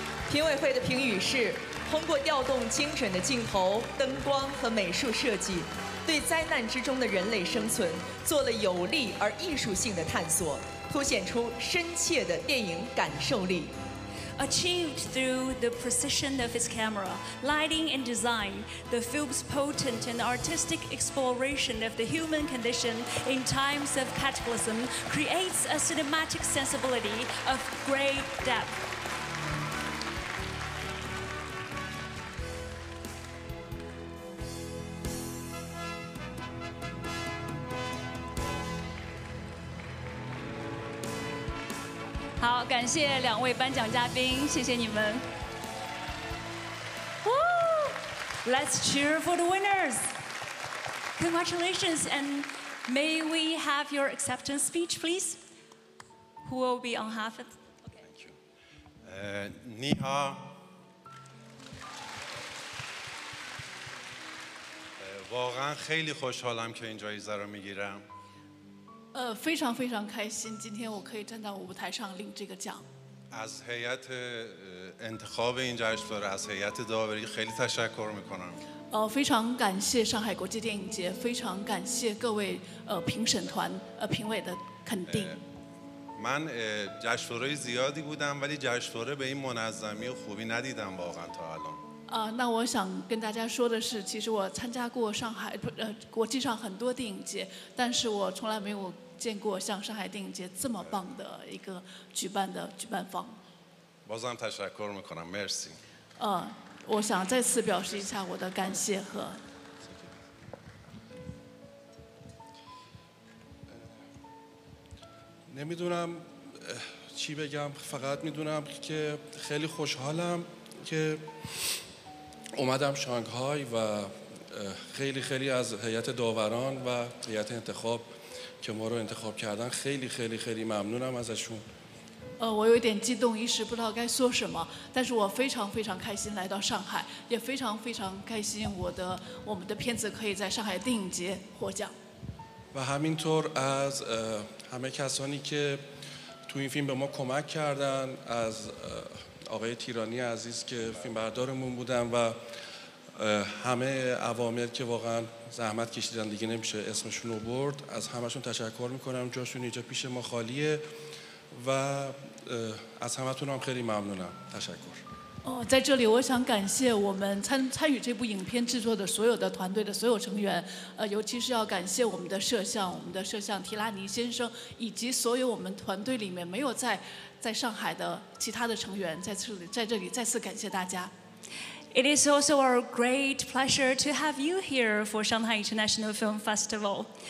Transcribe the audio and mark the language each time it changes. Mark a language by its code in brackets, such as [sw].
[zh] 评委会的评语是：通过调动精准的镜头、灯光和美术设计，对灾难之中的人类生存做了有力而艺术性的探索，凸显出深切的电影感受力。 [en] Achieved through the precision of its camera, lighting and design, the film's potent and artistic exploration of the human condition in times of cataclysm creates a cinematic sensibility of great depth. [zh] 好，感谢两位颁奖嘉宾，谢谢你们。 [en] Woo! Let's cheer for the winners. Congratulations, and may we have your acceptance speech, please? Who will be on half of it? Okay. Thank you. [zh] 你好。 [fa] واقعا خیلی خوشحالم که این جایزه رو میگیرم。 [zh] 非常非常开心，今天我可以站到舞台上领这个奖。 [fa] از هیئت انتخاب این جشنواره، از هیئت داوری خیلی تشکر میکنم. [zh] 非常感谢上海国际电影节，非常感谢各位评审团评委的肯定。 [fa] من جشنواره زیادی بودم ولی جشنواره به این منظمی و خوبی ندیدم واقعا تا الان. [zh] 那我想跟大家说的是，其实我参加过上海国际上很多电影节，但是我从来没有见过像上海电影节这么棒的一个举办方。 [fa] بازم تشکر میکنم، مرسی. [zh] 我想再次表示一下我的感谢和。 [fa] نمیدونم چی بگم، فقط میدونم که خیلی خوشحالم که اومدم شانگهای و خیلی خیلی از هیئت داوران و هیئت انتخاب که ما رو انتخاب کردن خیلی خیلی خیلی ممنونم ازشون. [zh] 我有点激动，一时不知道该说什么，但是我非常非常开心来到上海，也非常非常开心我们的片子可以在上海电影节获奖。 [fa] و همینطور از همه کسانی که تو این فیلم به ما کمک کردن، از آقای تیرانی عزیز که فیلم بردارمون بودن و همه عوامل که واقعا زحمت کشیدن دیگه نمیشه اسمشون رو برد از همشون تشکر میکنم جاشون اینجا پیش ما خالیه و از همتون هم خیلی ممنونم تشکر [zh] 在这里我想感谢我们参与这部影片制作的所有的团队的所有成员，尤其是要感谢我们的摄像，我们的摄像提拉尼先生，以及所有我们团队里面没有在上海的其他的成员，在这里再次感谢大家。 [en] It is also our great pleasure to have you here for Shanghai International Film Festival.